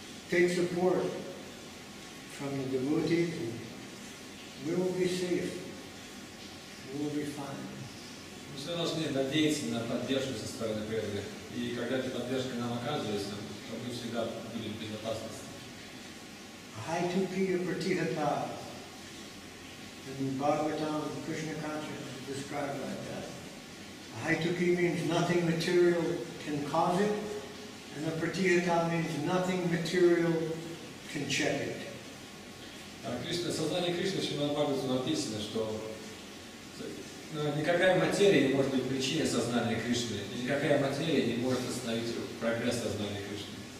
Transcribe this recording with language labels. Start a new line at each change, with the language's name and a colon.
English: Take support from the devotees, and we will be safe. We will be fine.
Russian: Мы все должны надеяться на поддержку со стороны Бога, и когда эта поддержка нам оказывается, то мы всегда будем в безопасности.
English: Hi to Peter Pratihata. In Bhagavatam, Krishna consciousness is described like that. Hi to Peter means nothing material can cause it. And the pratihata means nothing material can check it.
Russian: Кришна, сознание Кришны, Шримад Бхагаватам написано, что никакая материя не может быть причиной сознания Кришны, и никакая материя не может остановить прогресс сознания Кришны.